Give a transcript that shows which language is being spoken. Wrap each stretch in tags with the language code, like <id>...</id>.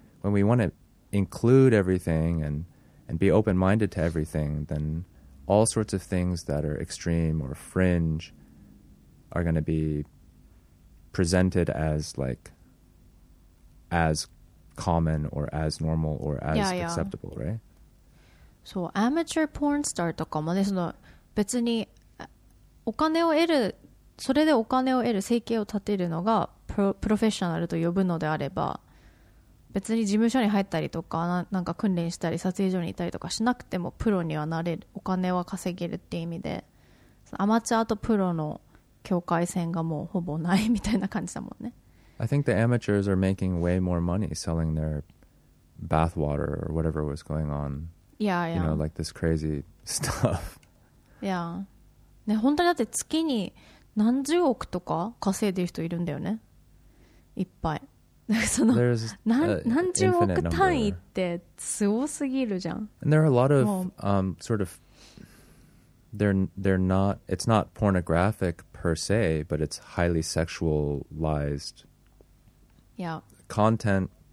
<en>When we want to include everything and be open-minded to everything, then all sorts of things that are extreme or fringe are going to be presented as like as common or as normal or as acceptable, right? So, amateur porn star</en> <ja>とかもね、その別にお金を得る、それでお金を得る、生計を立てるのがプロフェッショナルと呼ぶのであれば、別に事務所に入ったりとか なんか訓練したり撮影所にいたりとかしなくてもプロにはなれる、お金は稼げるっていう意味で、アマチュアとプロの境界線がもうほぼないみたいな感じだもんね。</ja> <en>I think the amateurs are making way more money selling their bath water or whatever was going on. Yeah, yeah. You know, like this crazy stuff. Yeah.</en> <ja>ね、本当にだって月に何十億とか稼いでる人いるんだよね。いっぱい。その何十億単位ってすごすぎるじゃん。</ja> <en>And there are a lot of sort of they're not, it's not pornographic per se, but it's highly sexualized content.</en>